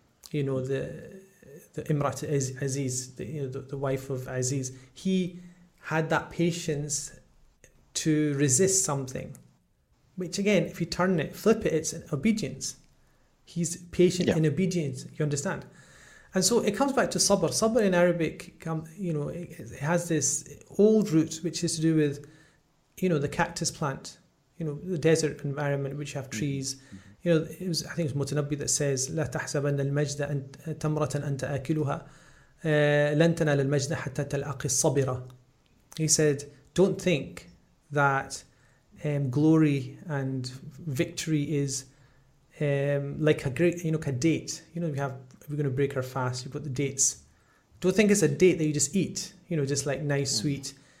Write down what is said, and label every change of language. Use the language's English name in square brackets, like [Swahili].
[English] You know, the Imrat Aziz, the wife of Aziz, he had that patience to resist something, which again, if you turn it, flip it, it's obedience. He's patient in obedience, you understand? And so it comes back to sabr. Sabr in Arabic, you know, it has this old root, which is to do with, you know, the cactus plant, you know, the desert environment, which have trees. Mm-hmm. [Arabic] You know, I think it was Mutanabbi that says, لا تحسبن المجد تمرة أنت أكلها لن تنال المجد حتى تلأقي الصبرة. [English] He said, don't think that glory and victory is like a great, you know, like a date. You know, we're going to break our fast, you've got the dates. Don't think it's a date that you just eat, you know, just like nice, sweet.